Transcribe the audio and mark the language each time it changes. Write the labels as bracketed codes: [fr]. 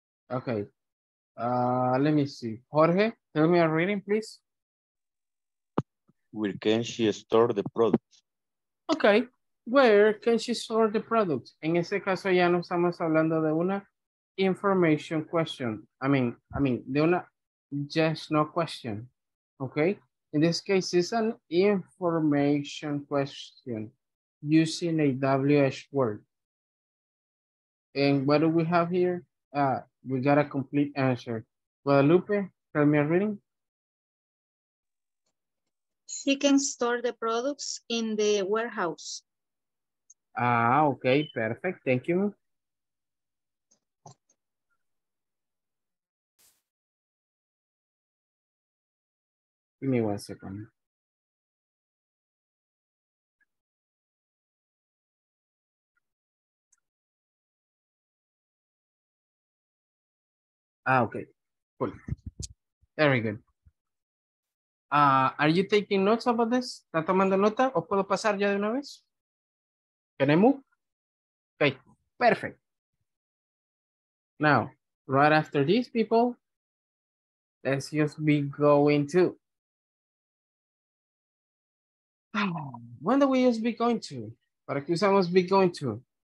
[en] Okay. Let me see. Jorge, tell me a reading, please. Where can she store the products? Okay. Where can she store the products? [es] En ese caso ya no estamos hablando de una information question. [en] I mean, [es] de una [en] yes, no question. Okay. In this case, it's an information question using a WH word. And what do we have here? We got a complete answer. Guadalupe, tell me a reading. She can store the products in the warehouse. Okay, perfect. Thank you. Give me 1 second. Okay, cool. Very good. Are you taking notes about this? [es] ¿Está tomando nota o puedo pasar ya de una vez? [en] Can I move? Okay, perfect. Now, right after these people, let's just be going to. When do we just be going to? [es] ¿Para qué usamos [en] be going to?